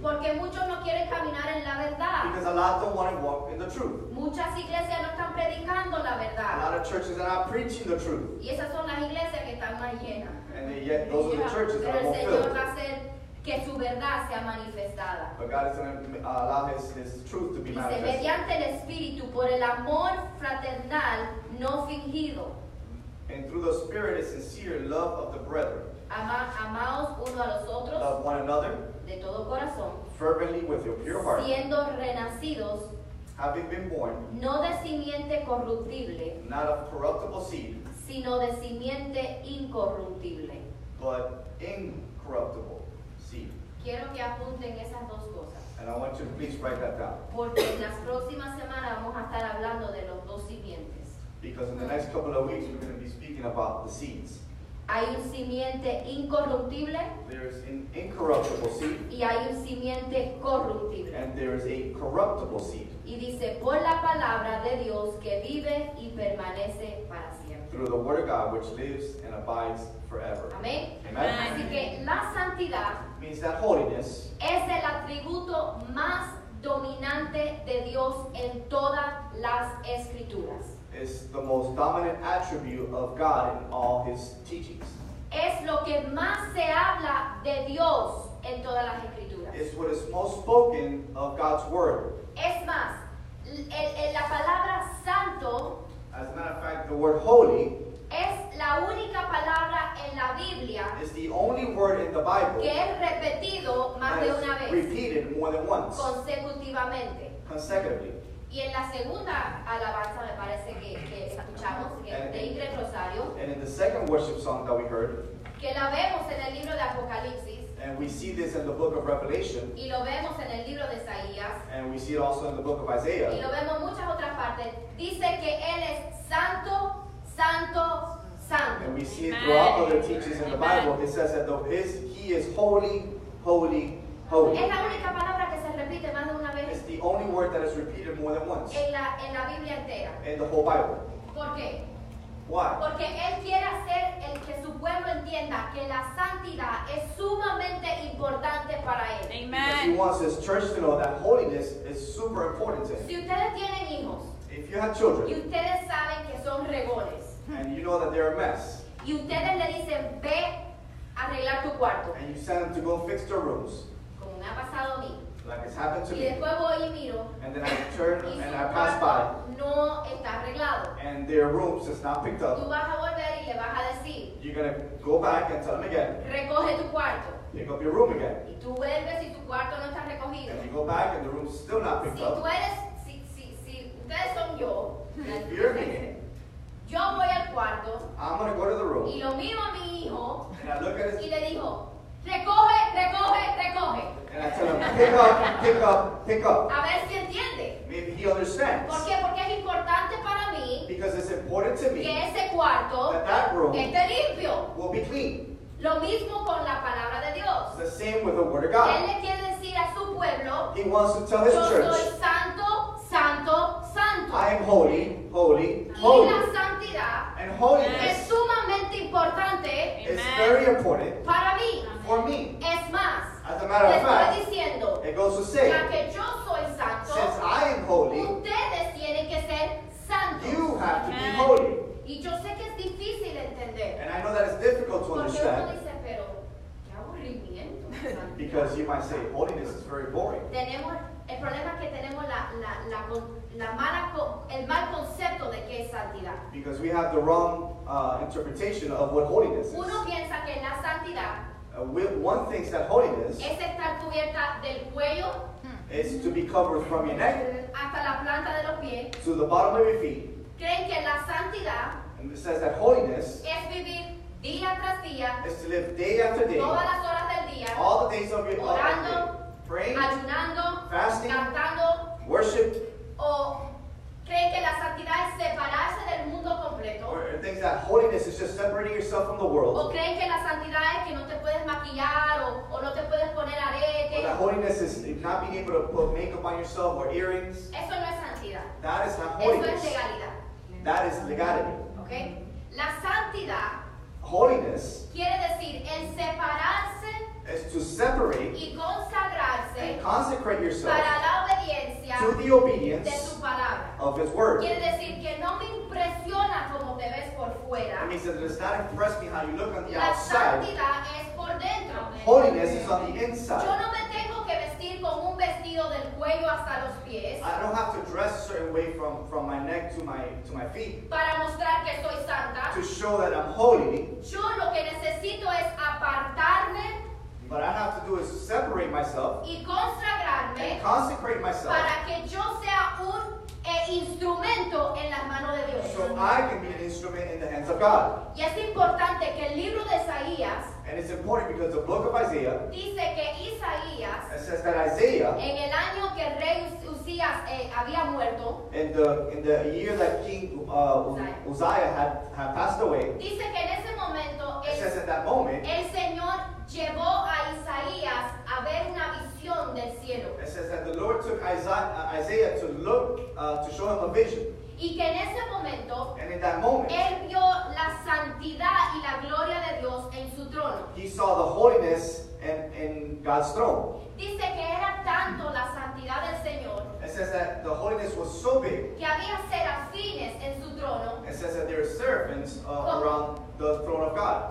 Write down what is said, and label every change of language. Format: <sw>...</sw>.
<es>Porque muchos no quieren caminar en la verdad.</es> <en>Because a lot don't want to walk in the truth.</en> <es>Muchas iglesias no están predicando la verdad.</es> <en>A lot of churches are not preaching the truth.</en> <es>Y esas son las iglesias que están más llenas.</es> <en>And yet those are the churches that are more filled.</en> <es>Pero el Señor va a hacer que su verdad sea manifestada.</es> <en>But God is going to allow his truth to be manifested.</en> <es>Dice, mediante el Espíritu, por el amor fraternal no fingido.</es> <en>And through the Spirit is sincere love of the brethren.</en> <es>Amaos uno a los otros.</es> <en>Love one another.</en> <es>De todo corazón.</es> <en>Fervently with your pure heart.</en> <es>Siendo renacidos.</es> <en>Having been born.</en> <es>No de simiente corruptible.</es> <en>Not of corruptible seed.</en> <es>Sino de simiente incorruptible.</es> <en>But incorruptible seed.</en> <es>Quiero que apunten esas dos cosas.</es> <en>And I want you to please write that down.</en> <es>Porque en las próximas semanas vamos a estar hablando de los dos simientes.</es> <en>Because in the next couple of weeks we're going to be speaking about the seeds.</en> <es>Hay un simiente incorruptible.</es> <en>There is an incorruptible seed.</en> <es>Y hay un simiente corruptible.</es> <en>And there is a corruptible seed.</en> <es>Y dice, por la palabra de Dios que vive y permanece para siempre.</es> <en>Through the word of God which lives and abides forever.</en> <es>Amén.</es> <en>Amen.</en> <es>Así que la santidad</es> <en>means that holiness</en> <es>es el atributo más dominante de Dios en todas las escrituras.</es> <en>Is the most dominant attribute of God in all his teachings.</en> <es>Es lo que más se habla de Dios en todas las escrituras.</es> <en>Is what is most spoken of God's word.</en> <es>Es más, en la palabra santo,</es> <en>as a matter of fact, the word holy,</en> <es>es la única palabra en la Biblia,</es> <en>is the only word in the Bible,</en> <es>que es repetido más de una vez,</es> <en>repeated more than once,</en> <es>consecutivamente.</es> <en>Consecutively.</en> <es>Y en la segunda alabanza me parece que escuchamos, que es de Rosario.</es> <en>And in the second worship song that we heard.</en> <es>Que la vemos en el libro de Apocalipsis.</es> <en>And we see this in the book of Revelation.</en> <es>Y lo vemos en el libro de Isaías.</es> <en>And we see it also in the book of Isaiah.</en> <es>Y lo vemos en muchas otras partes. Dice que Él es santo, santo, santo.</es> <en>And we see it throughout other teachings in the Bible. It says that he is holy, holy, holy.</en> <es>Es la única palabra que se repite más de una.</es> <en>The only word that is repeated more than once</en> <es>en la Biblia entera.</es> <en>In the whole Bible.</en> <es>¿Por qué?</es> <en>Why?</en> <es>Porque él quiere hacer el que su pueblo entienda que la santidad es sumamente importante para él.</es> <en>Amen. Because he wants his church to know that holiness is super important to him.</en> <es>Si ustedes tienen hijos,</es> <en>if you have children,</en> <es>y ustedes saben que son regones,</es> <en>and you know that they're a mess,</en> <es>y ustedes le dicen ve arreglar tu cuarto,</es> <en>and you send them to go fix their rooms,</en> <es>como me ha pasado a mí,</es> <en>like it's happened to</en> <es>y</es> <en>me,</en> <es>después voy y miro,</es> <en>and then I turn and I pass by,</en> <es>no está arreglado,</es> <en>and their rooms is not picked up,</en> <es>tú vas a volver y le vas a decir,</es> <en>you're gonna go back and tell them again,</en> <es>recoge tu cuarto,</es> <en>pick up your room again,</en> <es>y tú vuelves y tu cuarto no está recogido,</es> <en>and you go back and the room's still not picked</en> <es>si</es> <en>up.</en> <es>Tú eres, si ustedes son yo,</es> <en>if you're me,</en> <es>yo voy al cuarto,</es> <en>I'm gonna go to the room,</en> <es>y lo miro a mi hijo,</es> <en>and I look at his,</en> <es>y le digo, recoge, recoge, recoge.</es> <en>And I tell him, pick up, pick up, pick up.</en> <es>A ver si entiende.</es> <en>Maybe he understands.</en> <es>¿Por qué? Porque es importante para mí.</es> <en>Because it's important to me.</en> <es>Que ese cuarto,</es> <en>that room,</en> <es>esté limpio.</es> <en>Will be clean.</en> <es>Lo mismo con la palabra de Dios.</es> <en>The same with the word of God.</en> <es>Él le quiere decir a su pueblo.</es> <en>He wants to tell his church.</en> <es>Yo soy santo, santo, santo.</es> <en>I am holy, holy, holy.</en> <es>Y la santidad.</es> <en>And holiness.</en> <es>Es sumamente importante.</es> <en>Amen. It's very important.</en> <es>Para mí.</es> <en>For me.</en> <es>Es más.</es> <en>As a matter of fact,</en> <es>diciendo,</es> <en>it goes to say,</en> <es>ya que yo soy santo,</es> <en>since I am holy,</en> <es>ustedes tienen que ser santos.</es> <en>You have to be holy.</en> <es>Y yo sé que es difícil entender.</es> <en>And I know that it's difficult to</en> <es>porque</es> <en>understand.</en> <es>Dice, pero, qué aburrimiento.</es> <en>Because you might say, holiness is very boring.</en> <es>El problema es que tenemos el mal concepto de qué es santidad.</es> <en>Because we have the wrong interpretation of what holiness is.</en> <es>Uno piensa que la santidad,</es> <en>One thinks that holiness</en> <es>es estar cubierta del cuello,</es> <en>is to be covered from your neck</en> <es>hasta la planta de los pies,</es> <en>to the bottom of your feet.</en> <es>Creen que la santidad,</es> <en>and it says that holiness</en> <es>es vivir día tras día,</es> <en>is to live day after day,</en> <es>todas las horas del día,</es> <en>all the days of your life,</en> <es>orando,</es> <en>praying,</en> <es>ayunando,</es> <en>fasting,</en> <es>cantando,</es> <en>worship.</en> <es>O creen que la santidad es separarse del mundo completo.</es> <en>Or think that holiness is just separating yourself from the world.</en> <es>O creen que la santidad es que no te puedes maquillar o no te puedes poner aretes.</es> <en>Or that holiness is not being able to put makeup on yourself or earrings.</en> <es>Eso no es santidad.</es> <en>That is not holiness.</en> <es>Eso es legalidad.</es> <en>That is legality.</en> <es>Okay. La santidad.</es> <en>Holiness.</en> <es>Quiere decir el separarse.</es> <en>Is to separate.</en> <es>Y consagrarse.</es> <en>And consecrate yourself.</en> <es>Para la obediencia.</es> <en>To the obedience.</en> <es>De su palabra.</es> <en>Of his word.</en> <es>Quiere decir que no me impresiona como te ves por fuera.</es> <en>It means that it does not impress me how you look on the</en> <es>la</es> <en>outside.</en> <es>La santidad es por dentro.</es> <en>Holiness is on the inside.</en> <es>Yo no me tengo que vestir con un vestido del cuello hasta los pies.</es> <en>I don't have to dress a certain way from my neck to my feet.</en> <es>Para mostrar que soy santa.</es> <en>To show that I'm holy.</en> <es>Yo lo que necesito es apartarme.</es> <en>What I have to do is separate myself.</en> <es>Y consagrarme.</es> <en>And consecrate myself.</en> <es>Para que yo sea un e instrumento en las manos de Dios.</es> <en>So I can be an instrument in the hands of God.</en> <es>Y es importante que el libro de Isaías,</es> <en>and it's important because the book of Isaiah,</en> <es>dice que Isaías,</es> <en>it says that Isaiah,</en> <es>en el año que rey Uzías había muerto,</es> <en>in the year that King Uzziah had passed away,</en> <es>dice que en ese momento,</es> <en>it says at that moment,</en> <es>el Señor llevó a Isaías a ver una visión del cielo.</es> <en>It says that the Lord took Isaiah to look, to show him a vision.</en> <es>Y que en ese momento,</es> <en>and in that moment,</en> <es>él vio la santidad y la gloria de Dios en su trono.</es> <en>He saw the holiness in God's throne.</en> <es>Dice que era tanto la santidad del Señor.</es> <en>It says that the holiness was so big.</en> <es>Que había serafines en su trono.</es> <en>It says that there are serpents around the throne of God.</en>